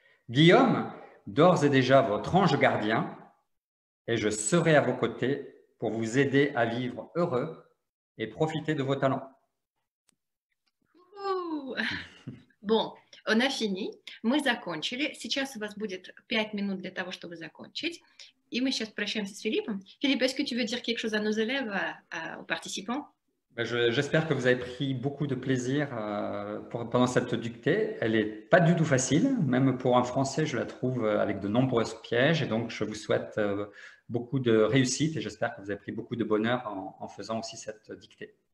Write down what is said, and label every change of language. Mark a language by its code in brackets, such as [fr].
[fr] Guillaume, d'ores et déjà votre ange gardien, et je serai à vos côtés pour vous aider à vivre heureux et profiter de vos talents. Bon, on a fini, [ru] мы закончили. Сейчас у вас будет 5 минут для того, чтобы закончить. Et мы сейчас прощаемся с Филиппом. [fr] Филипп, est-ce que tu veux dire quelque chose à nos élèves, aux participants? J'espère que vous avez pris beaucoup de plaisir pendant cette dictée. Elle n'est pas du tout facile, même pour un Français, je la trouve avec de nombreux pièges. Et donc, je vous souhaite beaucoup de réussite et j'espère que vous avez pris beaucoup de bonheur en faisant aussi cette dictée.